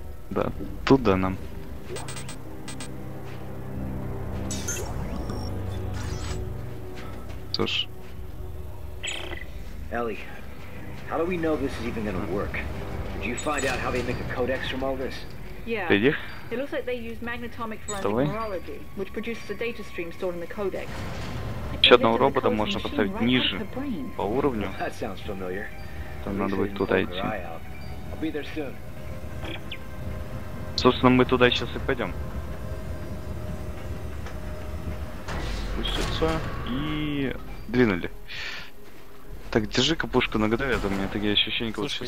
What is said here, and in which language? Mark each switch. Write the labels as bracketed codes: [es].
[ru] Да, туда нам. Что ж. Элли, как мы знаем, что это будет работать? Ты узнал, как они делают кодекс из всего этого? Да. [en] It looks like they use magnetomic forensic neurology, which produces a data stream stored in the codex. [ru] Еще одного робота можно поставить ниже по уровню. [en] That sounds familiar. [ru] Там надо будет туда идти. [en] I'll be there soon. [ru] Собственно, мы туда сейчас и пойдем. Спустится и двинули. Так, держи капушку на готове, у меня такие ощущения, как будто сейчас